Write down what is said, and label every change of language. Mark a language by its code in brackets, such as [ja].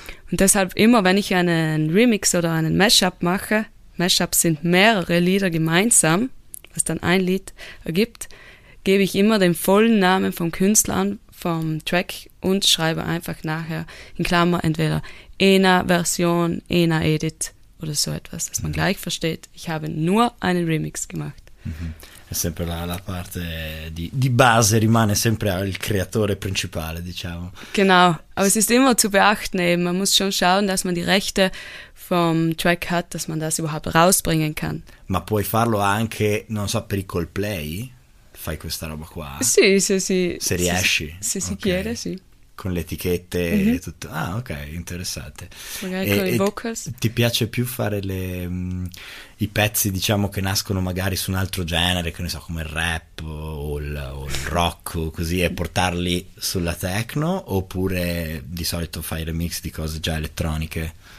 [de] Und deshalb immer, wenn ich einen Remix oder einen Mashup mache, Mashups sind mehrere Lieder gemeinsam, was dann ein Lied ergibt, gebe ich immer den vollen Namen vom Künstler an, vom Track und schreibe einfach nachher in Klammer entweder ENA-Version, ENA-Edit oder so etwas, dass man mhm. gleich versteht, ich habe nur einen Remix gemacht. Mhm. [it] È sempre la parte di base, rimane sempre il creatore principale, diciamo. [de] Genau, aber es ist immer zu beachten eben, man muss schon schauen, dass man die Rechte vom Track hat, dass man das überhaupt rausbringen kann. [it] Ma puoi farlo anche, non so, per i Coldplay? Fai questa roba qua? Sì, sì, sì. Se riesci? Se si chiede, sì. Con le etichette mm-hmm. e tutto. Ah, ok, interessante. Magari con i vocals. Ti piace più fare i pezzi, diciamo, che nascono magari su un altro genere, che ne so, come il rap o il rock o così, e portarli sulla techno, oppure di solito fai remix di cose già elettroniche?